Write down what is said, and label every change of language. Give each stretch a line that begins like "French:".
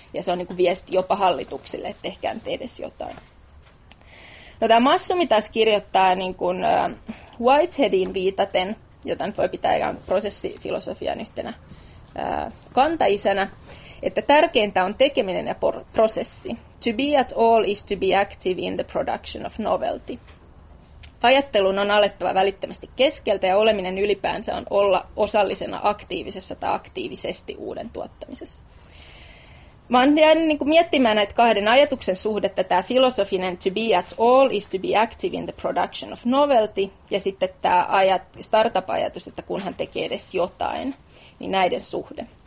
Finnish: Ja se on niin kuin viesti jopa hallituksille, että tehkää nyt edes jotain. No, tämä Massu taas kirjoittaa niin kuin Whiteheadin viitaten, jota nyt voi pitää ihan prosessifilosofian yhtenä kantaisänä, että tärkeintä on tekeminen ja prosessi.
English: To be at all is to be active in the production of novelty.
Finnish: Ajattelun on alettava välittömästi keskeltä ja oleminen ylipäänsä on olla osallisena aktiivisessa tai aktiivisesti uuden tuottamisessa. Mä oon jäänyt niin kuin miettimään näitä kahden ajatuksen suhdetta, tämä filosofinen
English: to be at all is to be active in the production of novelty,
Finnish: ja sitten tämä startup-ajatus, että kunhan tekee edes jotain, niin näiden suhde.